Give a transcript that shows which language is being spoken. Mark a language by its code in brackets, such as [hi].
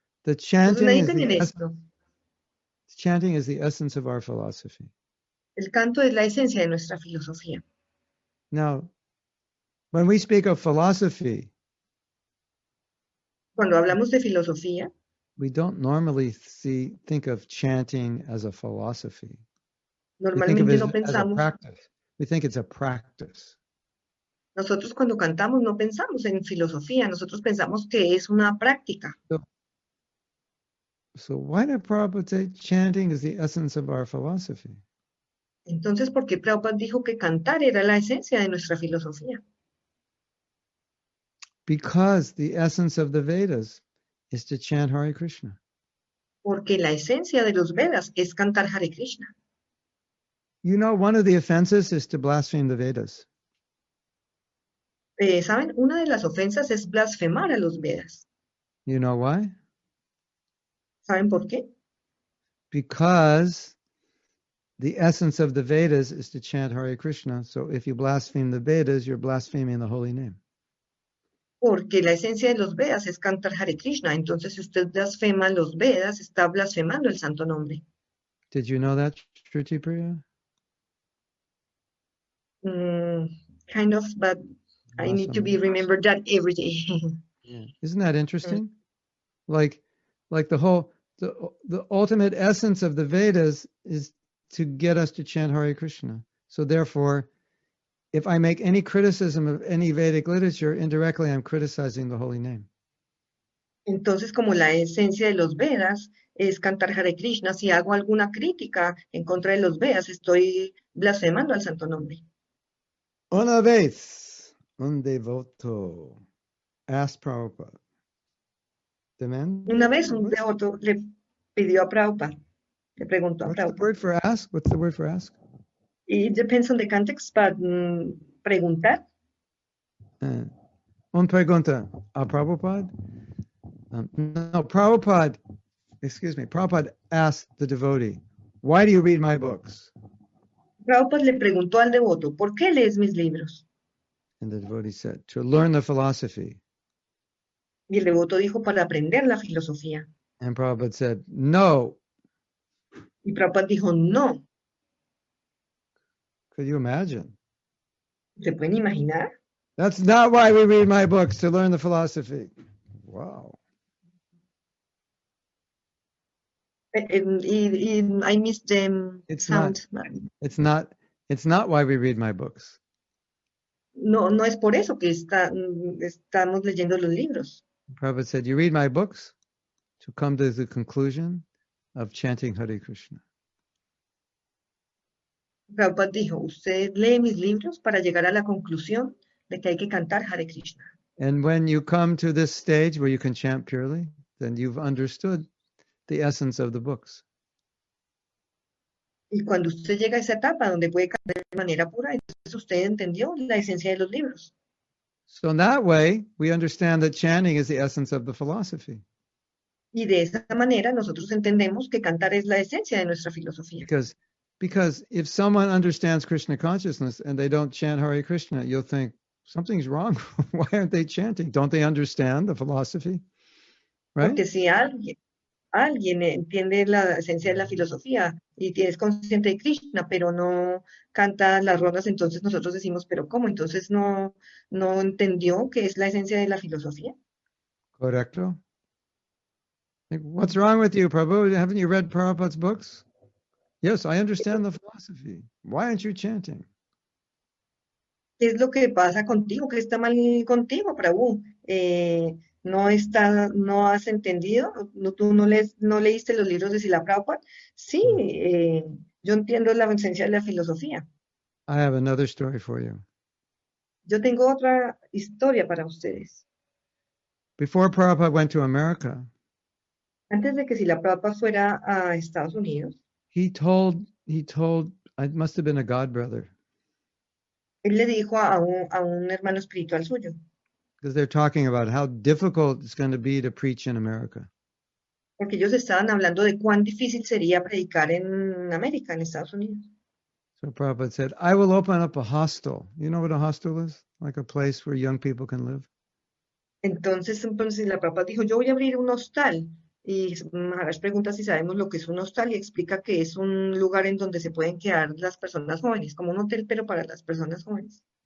[en] The chanting is the essence of our philosophy. [es] El canto es la esencia de nuestra filosofía. [en] Now, when we speak of philosophy, [es] cuando hablamos de filosofía, [en] we don't normally think of chanting as a philosophy. [es] Normalmente [en] we think of [es] no [en] it [es] pensamos, [en] as a practice. We think it's a practice. [es] Nosotros cuando cantamos no pensamos en filosofía, nosotros pensamos que es una práctica. [en] So why did Prabhupada say chanting is the essence of our philosophy? [es] Entonces, ¿por qué Prabhupada dijo que cantar era la esencia de nuestra filosofía? [en] Because the essence of the Vedas is to chant Hare Krishna. [es] Porque la esencia de los Vedas es cantar Hare Krishna. [en] You know, one of the offenses is to blaspheme the Vedas. [es] ¿Saben? Una de las ofensas es blasfemar a los Vedas. [en] You know why? [es] ¿Saben por qué? [en] Because the essence of the Vedas is to chant Hare Krishna. So if you blaspheme the Vedas, you're blaspheming the holy name. [es] Porque la esencia de los Vedas es cantar Hare Krishna. Entonces, si usted blasfema los Vedas, está blasfemando el santo nombre. [en] Did you know that, Shruti Priya? Kind of, but I need to be remembered that every day. Isn't that interesting? Like the whole, the ultimate essence of the Vedas is to get us to chant Hare Krishna. So therefore, if I make any criticism of any Vedic literature, indirectly I'm criticizing the holy name. [es] Entonces, como la esencia de los Vedas es cantar Hare Krishna, si hago alguna crítica en contra de los Vedas, estoy blasfemando al santo nombre. Una vez, un devoto [en] asked Prabhupada, demand? [es] Una vez un devoto le pidió a Prabhupada, le preguntó a Prabhupada. [en] What's the word for ask? What's the word for ask? It depends on the context, but preguntar. [es] Un pregunta a Prabhupada. [en] No, Prabhupada asked the devotee, why do you read my books? [es] Prabhupada le preguntó al devoto, ¿por qué lees mis libros? [en] And the devotee said, to learn the philosophy. [es] Y el devoto dijo, para aprender la filosofía. [en] And Prabhupada said, no. [es] Y Prabhupada dijo, no. [en] Could you imagine? [es] ¿Se pueden imaginar? [en] That's not why we read my books, to learn the philosophy. Wow. I missed the sound. It's not why we read my books. [es] No es por eso que estamos leyendo los libros. [en] Prabhupada said, you read my books to come to the conclusion of chanting Hare Krishna. [es] Prabhupada dijo, usted lee mis libros para llegar a la conclusión de que hay que cantar Hare Krishna. [en] And when you come to this stage where you can chant purely, then you've understood the essence of the books. [es] Y cuando usted llega a esa etapa donde puede cantar de manera pura, entonces usted entendió la esencia de los libros. [en] So in that way, we understand that chanting is the essence of the philosophy. [es] Y de esa manera, nosotros entendemos que cantar es la esencia de nuestra filosofía. [en] Because if someone understands Krishna consciousness and they don't chant Hare Krishna, you'll think, something's wrong. Why aren't they chanting? Don't they understand the philosophy? Right? [es] Porque si alguien entiende la esencia de la filosofía y es consciente de Krishna, pero no canta las rondas, entonces nosotros decimos, ¿pero cómo? Entonces no entendió qué es la esencia de la filosofía. Correcto. [en] What's wrong with you, Prabhupada? Haven't you read Prabhupada's books? Yes, I understand the philosophy. Why aren't you chanting? [es] ¿Qué es lo que pasa contigo? ¿Qué está mal contigo, Prabhu? No has entendido, no leíste los libros de Srila Prabhupada. Sí, yo entiendo la esencia de la filosofía. [en] I have another story for you. [es] Yo tengo otra historia para ustedes. [en] Before Prabhupada went to America, [es] antes de que Srila Prabhupada fuera a Estados Unidos, [en] he told, it must have been a god brother. [es] Él le dijo a un hermano espiritual suyo. [en] Because they're talking about how difficult it's going to be to preach in America. [es] Porque ellos estaban hablando de cuán difícil sería predicar en América, en Estados Unidos. [en] So Prabhupada said, I will open up a hostel. You know what a hostel is? Like a place where young people can live. [es] Entonces la Prabhupada dijo, yo voy a abrir un hostal. Y Maharaj pregunta si sabemos lo que es un hostal y explica que es un lugar en donde se pueden quedar las personas jóvenes, como un hotel, pero para las personas jóvenes.